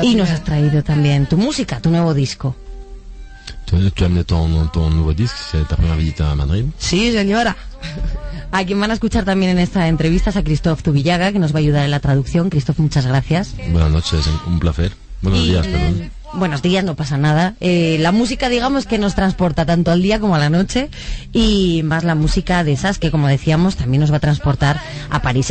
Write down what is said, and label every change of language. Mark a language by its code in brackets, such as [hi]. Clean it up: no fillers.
[es] Y nos has traído también tu música, tu nuevo disco. [fr] Tu as amené ton nouveau disque, c'est ta première visite à Madrid. [es] Sí, señora. A quien van a escuchar también en esta entrevista es a Christophe Zubillaga, que nos va a ayudar en la traducción. Christophe, muchas gracias. Buenas noches, un placer. Buenos días, perdón. Buenos días, no pasa nada. La música, digamos, que nos transporta tanto al día como a la noche. Y más la música de esas, que como decíamos, también nos va a transportar a París.